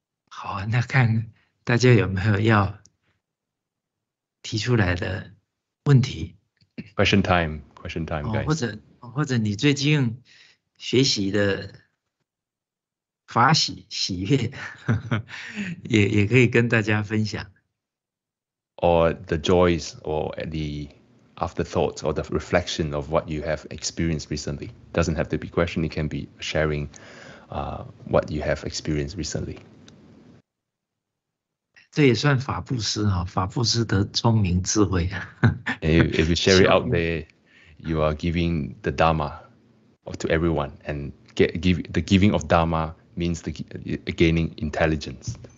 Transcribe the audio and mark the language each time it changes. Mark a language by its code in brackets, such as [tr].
[zh] 好，那看大家有没有要提出来的问题。 [en] Question time, guys. [zh] 或者你最近学习的法喜悦，也可以跟大家分享。 [en] or the joys or the afterthoughts or the reflection of what you have experienced recently. Doesn't have to be question, it can be sharing what you have experienced recently. [zh] 这也算法布施啊，法布施得聪明智慧。 [en] If you share it out there, you are giving the Dharma to everyone, and the giving of Dharma means the gaining intelligence.